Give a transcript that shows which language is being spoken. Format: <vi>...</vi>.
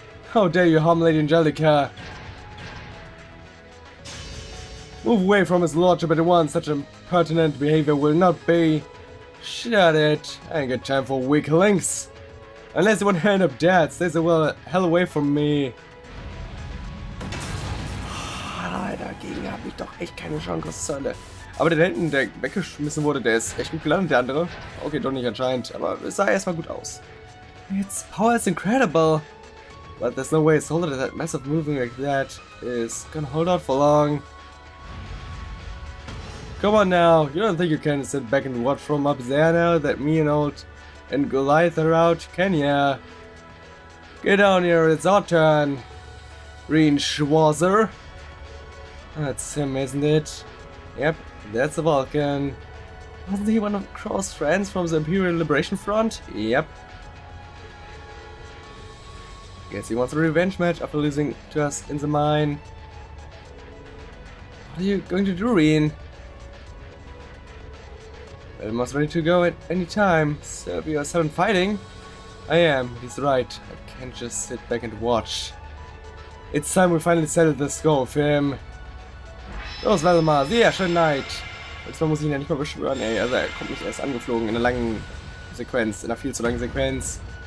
<en>How dare you harm Lady Angelica? Move away from his lordship at once, such impertinent behavior will not be. Shut it, I ain't got time for weak links. Unless you want to end up dead, stay the hell away from me.</en> <de>Alter, gegen ihn habe ich doch echt keine Chance, Sölle. Aber der hinten, der weggeschmissen wurde, der ist echt gut gelandet, der andere. Okay, doch nicht anscheinend, aber es sah erstmal gut aus.</de> <en>Its power is incredible. But there's no way a soldier that massive moving like that is gonna hold out for long. Come on now, you don't think you can sit back and watch from up there now that me and old and Goliath are out, can ya? Get down here, it's our turn. Rein Schwarzer. That's him, isn't it? Yep, that's the Vulcan. Wasn't he one of Crow's friends from the Imperial Liberation Front? Yep. Guess he wants a revenge match after losing to us in the mine. What are you going to do, Reen? Almost ready to go at any time. Serve your sudden fighting? I am, he's right. I can't just sit back and watch. It's time we finally settled the score with him.</en> <de>Los, Valdemar, yeah, schönen Night. Und zwar muss ich ihn ja nicht mal beschwören, ey. Also, er kommt nicht erst angeflogen in einer langen Sequenz, in einer viel zu langen Sequenz.</de>